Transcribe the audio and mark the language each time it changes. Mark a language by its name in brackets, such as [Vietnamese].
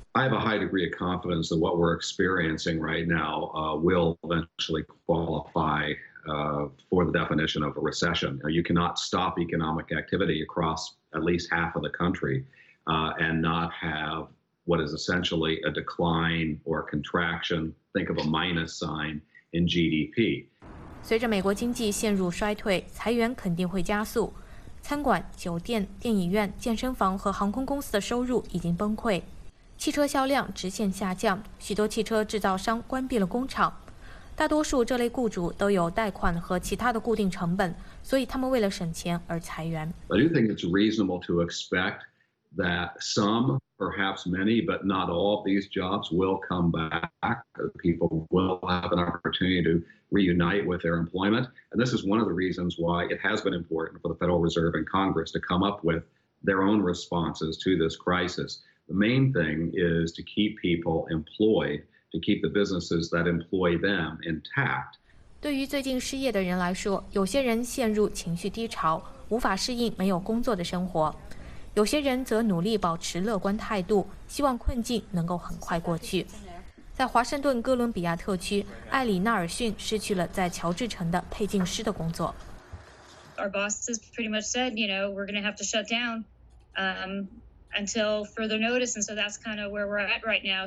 [English] I have a high degree of confidence that what we're experiencing right now will eventually qualify for the definition of a recession. You cannot stop economic activity across at least half of the country and not have what is essentially a decline or contraction, think of a minus sign, in GDP. [Chinese] 随着美国经济陷入衰退，裁员肯定会加速。餐馆、酒店、电影院、健身房和航空公司的收入已经崩溃。汽车销量直线下降，许多汽车制造商关闭了工厂。大多数这类雇主都有贷款和其他的固定成本，所以他们为了省钱而裁员。 [English] I do think it's reasonable to expect that some, perhaps many, but not all of these jobs will come back. People will have an opportunity to reunite with their employment. And this is one of the reasons why it has been important for the Federal Reserve and Congress to come up with their own responses to this crisis. The main thing is to keep people employed, to keep the businesses that employ them intact. [Chinese] 对于最近失业的人来说，有些人陷入情绪低潮，无法适应没有工作的生活，有些人则努力保持乐观态度，希望困境能够很快过去。在华盛顿哥伦比亚特区，艾里纳尔逊失去了在乔治城的配镜师的工作。 [English] Our boss has pretty much said, you know, we're going to have to shut down, until further notice, and so that's kind of where we're at right now.